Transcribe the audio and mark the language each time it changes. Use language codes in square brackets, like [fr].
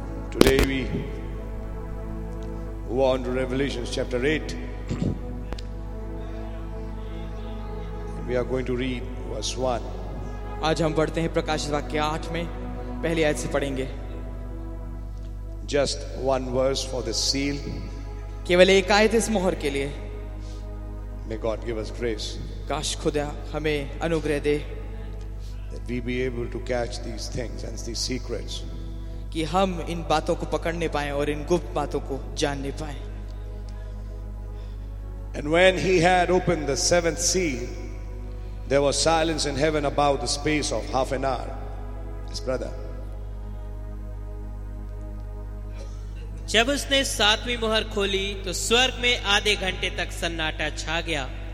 [en] Today we go on to Revelation chapter 8. We are going to read verse 1. [hi] आज हम बढ़ते हैं प्रकाशित वाक्य 8 में पहली आयत से पढ़ेंगे. [en] Just one verse for the seal. [hi] केवल एक आयत इस मोहर के लिए. [en] May God give us grace. [hi] काश खुदा हमें अनुग्रह दे. [en] That we be able to catch these things and these secrets. [hi] कि हम इन बातों को पकड़ने पाएं और इन गुप्त बातों को जानने पाएं. [en] And when he had opened the seventh seal, there was silence in heaven about the space of half an hour. His brother. [hi] जब उसने सातवीं मोहर खोली तो स्वर्ग में आधे घंटे तक सन्नाटा छा गया.